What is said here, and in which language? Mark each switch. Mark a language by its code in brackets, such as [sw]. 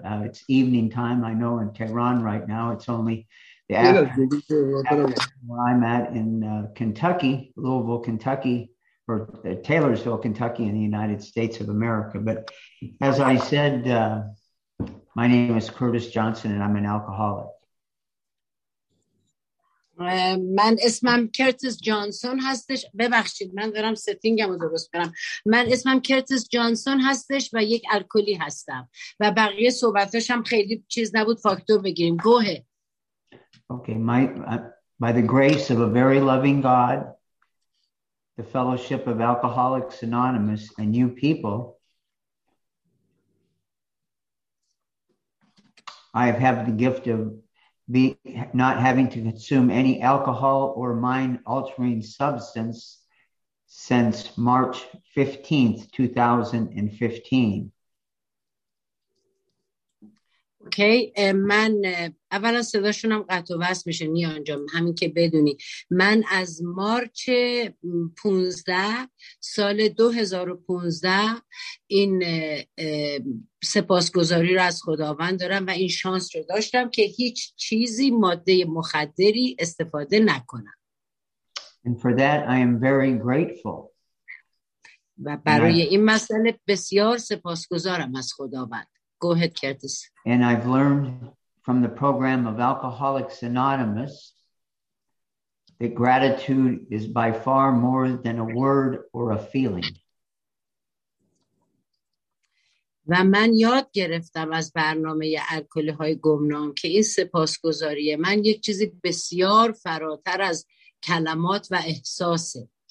[en] It's evening time, I know, in Tehran right now. It's only the afternoon where I'm at in Kentucky, Louisville, Kentucky, or Taylorsville, Kentucky, in the United States of America. But as I said, my name is Curtis Johnson, and I'm an alcoholic. [fa] من اسمم کرتیس جانسون هستش. ببخشید من دارم ستینگم رو درست کنم. من اسمم کرتیس جانسون هستش و یک الکلی هستم و بقیه صحبتش هم خیلی چیز نبود، فاکتور بگیریم. [en] Go ahead. Okay, by the grace of a very loving God, the fellowship of Alcoholics Anonymous and you people, I have had the gift of not having to consume any alcohol or mind-altering substance since March 15th, 2015. [fa] اوکی من اولا صداشون هم قطع و وصل میشه میانجا، همین که بدونی من از مارچ 15 سال 2015 این سپاسگزاری رو از خداوند دارم و این شانس رو داشتم که هیچ چیزی ماده مخدری استفاده نکنم. [en] And for that I am very grateful. [fa] و برای این مسئله بسیار سپاسگزارم از خداوند. [en] Go ahead, Curtis. And I've learned from the program of Alcoholics Anonymous that gratitude is by far more than a word or a feeling. [fa] و من یاد گرفتم از برنامه الکلی‌های گمنام که این سپاسگزاری من یک چیزی بسیار فراتر از کلمات و احساسه.